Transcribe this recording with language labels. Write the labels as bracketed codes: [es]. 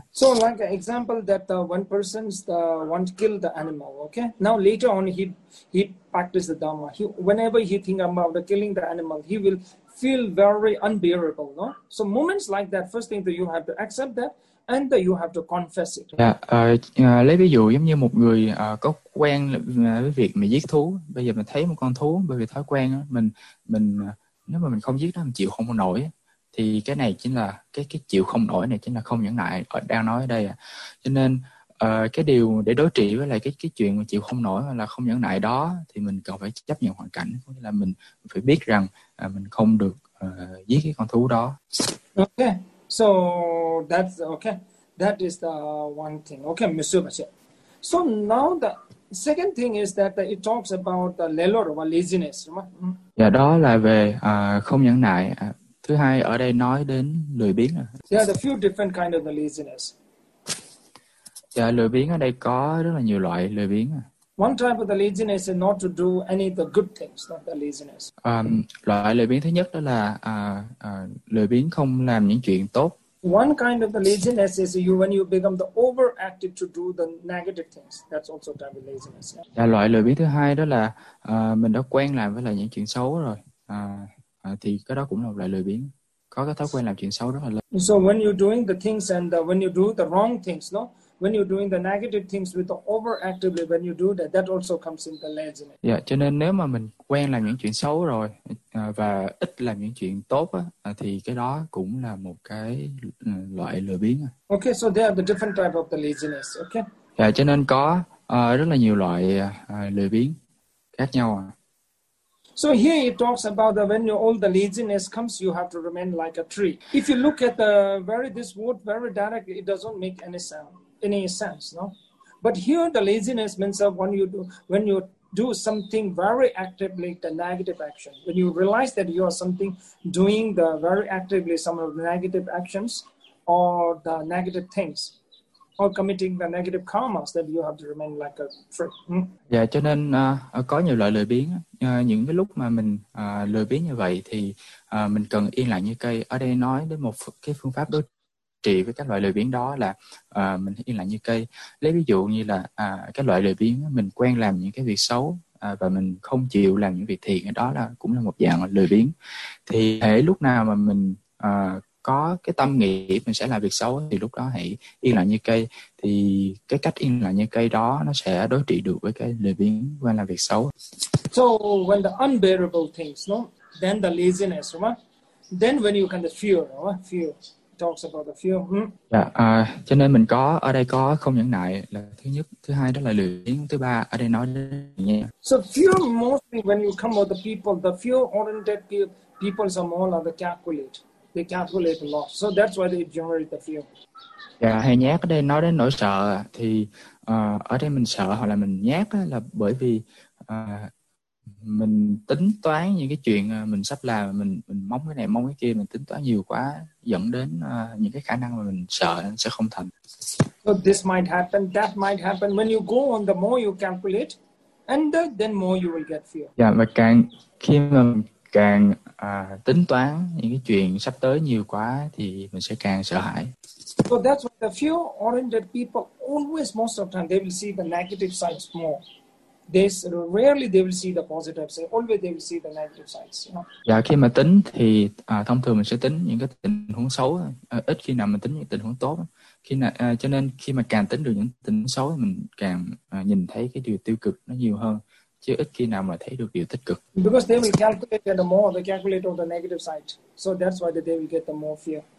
[en] So like an example that the one person the one kill the animal, okay? Now later on he practice the dharma. He, whenever he think about the killing the animal, he will feel very unbearable, no? So moments like that, first thing that you have to accept that, and that you have to confess it. [vi] Yeah, lấy ví dụ giống như một người có quen với việc mà giết thú. Bây giờ mình thấy một con thú, bởi vì thói quen mình nếu mà mình không giết nó, mình chịu không nổi. Thì cái này chính là cái chịu không nổi này chính là không nhẫn nại đang nói ở đây. Cho nên cái điều để đối trị với lại cái chuyện mà chịu không nổi là không nhẫn nại đó thì mình cần phải chấp nhận hoàn cảnh, có nghĩa là mình phải biết rằng mình không được giết cái con thú đó. [en] Okay, so that's okay. That is the one thing. Okay, Mr. Bachet. So now the second thing is that it talks about the lelo or laziness. [vi] Yeah, đó là về không nhẫn nại. Thứ hai ở đây nói đến lười biếng. [en] There are a few different kind of the laziness. [vi] Yeah, lười biếng ở đây có rất là nhiều loại lười biếng. [en] One type of the laziness is not to do any of the good things, not the laziness. [vi] Loại lười biếng thứ nhất đó là lười biếng không làm những chuyện tốt. [en] One kind of the laziness is you when you become the overactive to do the negative things. That's also a type of laziness. Yeah? [vi] Yeah, loại lười biếng thứ hai đó là mình đã quen làm với lại những chuyện xấu rồi. Thì cái đó cũng là một loại lười biếng. Có cái thói quen làm chuyện xấu rất là lớn. [en] So when you're doing the things and when you do the wrong things, no? When you're doing the negative things with the overactively, when you do that, that also comes in the laziness. [vi] Yeah, cho nên nếu mà mình quen làm những chuyện xấu rồi và ít làm những chuyện tốt á, thì cái đó cũng là một cái loại lười biếng. [en] Okay, so there are the different type of the laziness. Okay. [vi] Yeah, cho nên có rất là nhiều loại lười biếng khác nhau. [en] So here it talks about that when all the laziness comes, you have to remain like a tree. If you look at the very this word very directly, it doesn't make any sound. Any sense, no? But here the laziness means that when you do something very actively, the negative action, when you realize that you are something doing the very actively some of the negative actions or the negative things or committing the negative karmas, then you have to remain like a fruit. [vi] Dạ, cho nên có nhiều loại lười biếng. Những cái lúc mà mình lười biếng như vậy thì mình cần yên lặng như cây. Ở đây nói đến một cái phương pháp đối trị với các loại lười biếng đó là mình yên lặng như cây. Lấy ví dụ như là cái loại lười biếng mình quen làm những cái việc xấu và mình không chịu làm những việc thiện, đó là cũng là một dạng lười biếng. Thì hễ lúc nào mà mình có cái tâm nghĩ mình sẽ làm việc xấu thì lúc đó hãy yên lặng như cây. Thì cái cách yên lặng như cây đó nó sẽ đối trị được với cái lười biếng và làm việc xấu. [en] So when the unbearable things, no, then the laziness, right? Then when you can the fear, right? Fear talks about the fear. Hmm? [vi] Cho nên mình có ở đây có không nhẫn nại là thứ nhất, thứ hai đó là lười biếng, thứ ba ở đây nói nha. [en] So fear mostly when you come with the people, the fear oriented people are more like the calculate. They calculate a lot. So that's why they generate the fear. [vi] Hay nhát ở đây nói đến nỗi sợ thì ở đây mình sợ hoặc là mình nhát là bởi vì mình tính toán những cái chuyện mình sắp làm, mình mong cái này mong cái kia, mình tính toán nhiều quá dẫn đến những cái khả năng mà mình sợ sẽ không thành. [en] So this might happen, that might happen. When you go on, the more you calculate, and then more you will get fear. [vi] Và càng khi mà mình càng tính toán những cái chuyện sắp tới nhiều quá thì mình sẽ càng sợ hãi. [en] So that's why the fear-oriented people always, most of the time, they will see the negative sides more. This rarely they will see the positive side. Always they will see the negative sides. You know? [vi] Dạ, khi mà tính thì thông thường mình sẽ tính những cái tình huống xấu. Ít khi nào mình tính những tình huống tốt. Khi nào, cho nên khi mà càng tính được những tình huống xấu, mình càng nhìn thấy cái điều tiêu cực nó nhiều hơn. Chứ ít khi nào mà thấy được điều tích cực. [en] Because they will calculate the more, they calculate on the negative side. So that's why they will get the more fear.